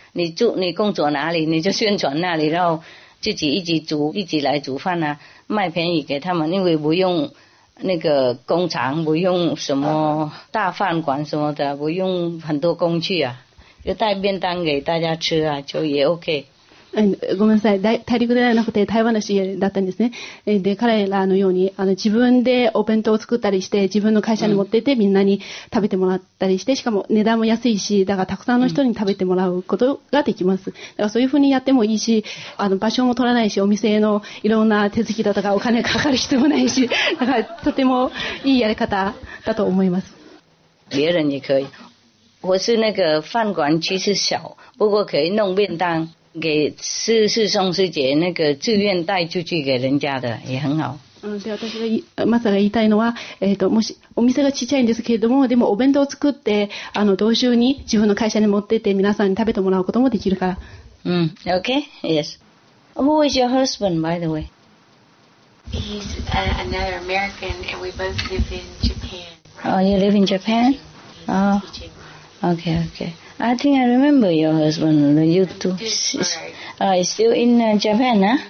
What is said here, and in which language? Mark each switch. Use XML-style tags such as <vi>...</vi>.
<zh>你住你工作哪里，你就宣传那里，然后自己一起煮，一起来煮饭啊，卖便宜给他们，因为不用那个工厂，不用什么大饭馆什么的，不用很多工具啊。就带便当给大家吃啊，就也 OK。</zh> <ja>ごめんなさい、大陸ではなくて台湾の CA だったんですね。で彼らのように自分でお弁当を作ったりして自分の会社に持っていて、うん、みんなに食べてもらったりして、しかも値段も安いし、だからたくさんの人に食べてもらうことができます、うん、だからそういうふうにやってもいいし、場所も取らないし、お店のいろんな手続きだとかお金かかる必要もないし、だからとてもいいやり方だと思います。</ja> <zh>別人也可以，我是那个饭馆，其实小，不过可以弄便当给师师兄师姐那个自愿带出去给人家的，也很好。</zh> <ja>で私がマスターが言いたいのは、もしお店が小さいんですけれども、でもお弁当を作って同州に自分の会社に持ってって皆さんに食べてもらうこともできるから。</ja> <en>Okay. Yes. Who is your husband, by the way? He's another American, and we both live in Japan. Oh, you live in Japan? Oh. Okay, okay. I think I remember your husband, you two. He's still in Japan, huh?</en>